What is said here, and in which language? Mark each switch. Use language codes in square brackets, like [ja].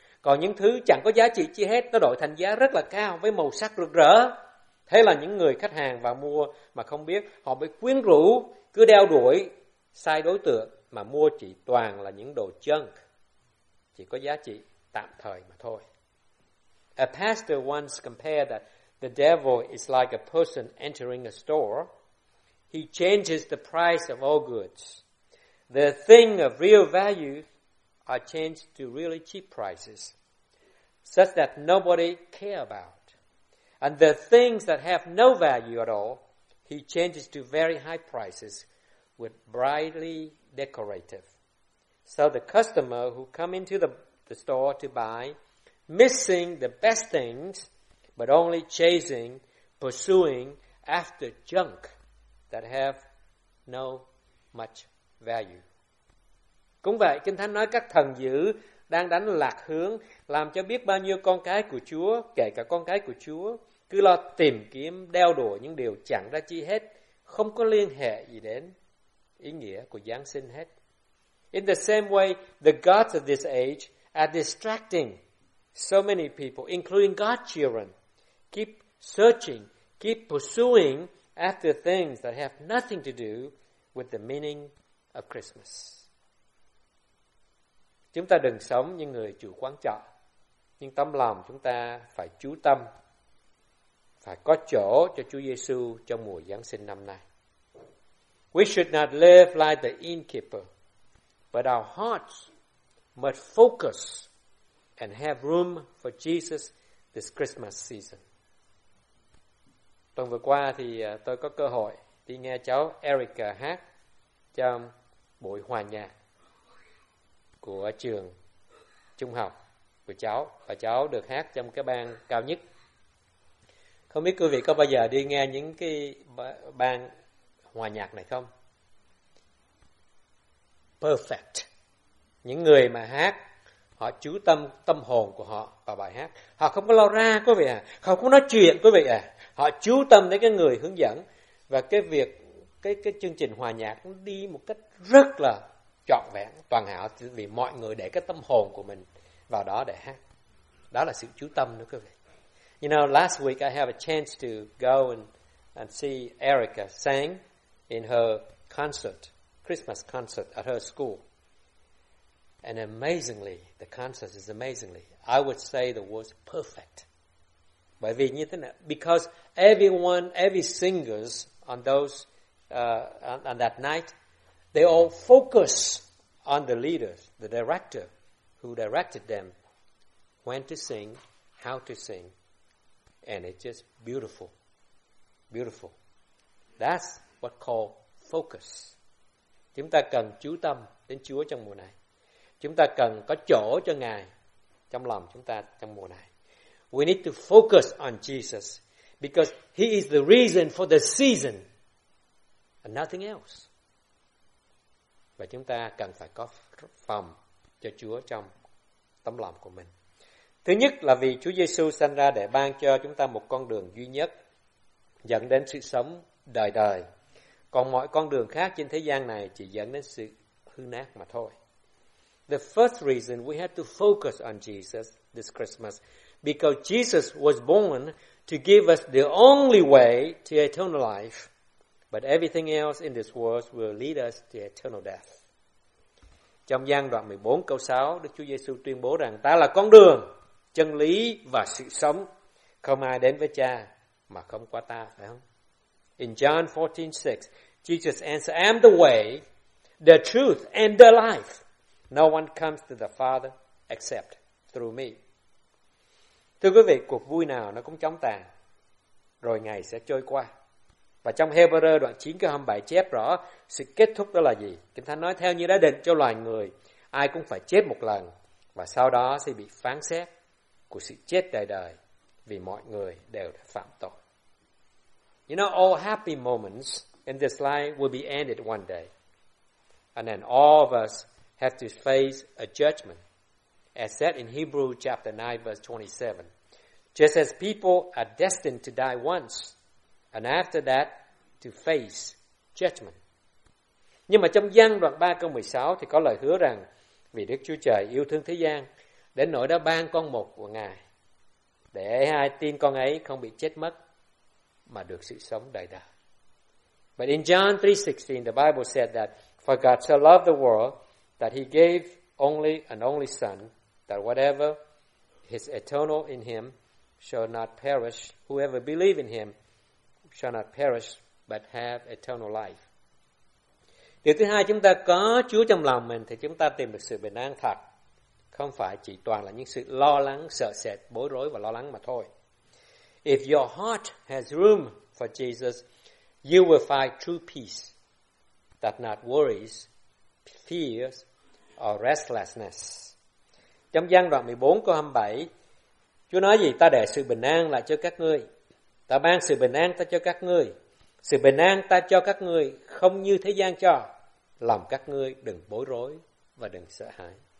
[vi] Còn những thứ chẳng có giá trị chi hết, nó đổi thành giá rất là cao với màu sắc rực rỡ. Thế là những người khách hàng vào mua mà không biết, họ bị quyến rũ, cứ đeo đuổi sai đối tượng mà mua chỉ toàn là những đồ junk, chỉ có giá trị tạm thời mà thôi. [en] A pastor once compared that the devil is like a person entering a store. He changes the price of all goods. The thing of real value are changed to really cheap prices, such that nobody care about. And the things that have no value at all, he changes to very high prices with brightly decorative. So the customer who come into the store to buy, missing the best things, but only chasing, pursuing after junk that have no much value. [vi] Cũng vậy, Kinh Thánh nói các thần dữ đang đánh lạc hướng, làm cho biết bao nhiêu con cái của Chúa, kể cả con cái của Chúa, cứ lo tìm kiếm, đeo đuổi những điều chẳng ra chi hết, không có liên hệ gì đến ý nghĩa của Giáng sinh hết. [en] In the same way, the gods of this age are distracting so many people, including God's children, keep searching, keep pursuing after things that have nothing to do with the meaning of Christmas. [vi] Chúng ta đừng sống như người chủ quán trọ, nhưng tâm lòng chúng ta phải chú tâm, phải có chỗ cho Chúa Giêsu trong mùa Giáng sinh năm nay. [en] We should not live like the innkeeper, but our hearts must focus and have room for Jesus this Christmas season. [vi] Tuần vừa qua thì tôi có cơ hội đi nghe cháu Erica hát trong buổi hòa nhạc của trường trung học của cháu, và cháu được hát trong cái ban cao nhất. Không biết quý vị có bao giờ đi nghe những cái ban hòa nhạc này không? [en] Perfect. [vi] Những người mà hát họ chú tâm tâm hồn của họ vào bài hát. Họ không có lao ra quý vị à, không có nói chuyện quý vị à. Họ chú tâm đến cái người hướng dẫn và cái việc cái chương trình hòa nhạc nó đi một cách rất là trọn vẹn, toàn hảo, vì mọi người để cái tâm hồn của mình vào đó để hát. Đó là sự chú tâm đó quý vị. [en] You know, last week I have a chance to go and see Erica sang in her concert, Christmas concert at her school. And amazingly, the concert is amazingly, I would say the words perfect. [vi] Bởi vì như thế này, [en] because everyone, every singers on those on that night, they all focus on the leader, the director, who directed them when to sing, how to sing, and it's just beautiful, beautiful. That's what called focus. [vi] Chúng ta cần chú tâm đến Chúa trong mùa này. Chúng ta cần có chỗ cho Ngài trong lòng chúng ta trong mùa này. [en] We need to focus on Jesus because He is the reason for the season and nothing else. [vi] Và chúng ta cần phải có phòng cho Chúa trong tấm lòng của mình. Thứ nhất là vì Chúa Giê-xu sanh ra để ban cho chúng ta một con đường duy nhất dẫn đến sự sống đời đời. Còn mọi con đường khác trên thế gian này chỉ dẫn đến sự hư nát mà thôi. [en] The first reason we have to focus on Jesus this Christmas because Jesus was born to give us the only way to eternal life, but everything else in this world will lead us to eternal death. [vi] Trong Giăng đoạn 14 câu 6, Đức Chúa Giê-xu tuyên bố rằng ta là con đường, chân lý và sự sống. Không ai đến với cha mà không qua ta, phải không? [en] In John 14:6, Jesus answered, I am the way, the truth, and the life. No one comes to the Father except through me. [vi] Thưa quý vị, cuộc vui nào nó cũng chóng tàn, rồi ngày sẽ trôi qua. Và trong Hebrew đoạn 9 câu 27 chép rõ sự kết thúc đó là gì? Kinh Thánh nói theo như đã định cho loài người, ai cũng phải chết một lần và sau đó sẽ bị phán xét của sự chết đời đời vì mọi người đều đã phạm tội. [en] You know, all happy moments in this life will be ended one day. And then all of us have to face a judgment. As said in Hebrews chapter 9, verse 27. Just as people are destined to die once, and after that, to face judgment. [vi] Nhưng mà trong Giăng đoạn 3 câu 16 thì có lời hứa rằng vì Đức Chúa Trời yêu thương thế gian đến nỗi đã ban con một của Ngài để ai tin con ấy không bị chết mất mà được sự sống đời đời. [en] But in John 3:16, the Bible said that for God so loved the world that He gave only an only Son, that whatever is eternal in Him shall not perish. Whoever believes in Him shall not perish, but have eternal life. [vi] Điều thứ hai, chúng ta có Chúa trong lòng mình thì chúng ta tìm được sự bình an thật, không phải chỉ toàn là những sự lo lắng, sợ sệt, bối rối và lo lắng mà thôi. [en] If your heart has room for Jesus, you will find true peace that not worries, fears, or restlessness. [vi] Trong Giăng đoạn 14 câu 27, Chúa nói gì? Ta để sự bình an lại cho các ngươi. Ta ban sự bình an ta cho các ngươi. Sự bình an ta cho các ngươi không như thế gian cho. Lòng các ngươi đừng bối rối và đừng sợ hãi.